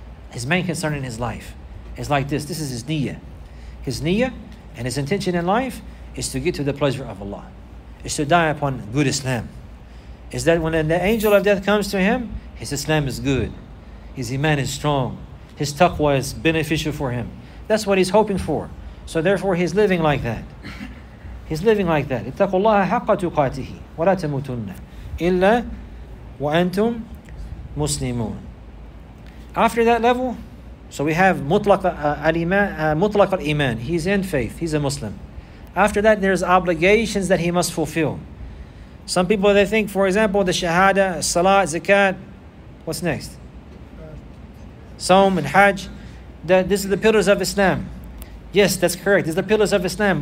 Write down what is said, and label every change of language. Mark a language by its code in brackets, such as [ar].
[en] His main concern in his life is like this. This is his niyyah. His niyyah and his intention in life is to get to the pleasure of Allah. Is to die upon good Islam. Is that when the angel of death comes to him, his Islam is good. His iman is strong. His taqwa is beneficial for him. That's what he's hoping for. So therefore, he's living like that. [ar] اتقوا الله حق تقاته ولا تموتن إلا وأنتم مسلمون. [en] After that level, So we have mutlaq mutlaq al-iman. He's in faith. He's a Muslim. After that, there's obligations that he must fulfill. Some people, they think, for example, the shahada, salat, zakat. What's next? Sawm and hajj. That this is the pillars of Islam. Yes, that's correct. These are the pillars of Islam.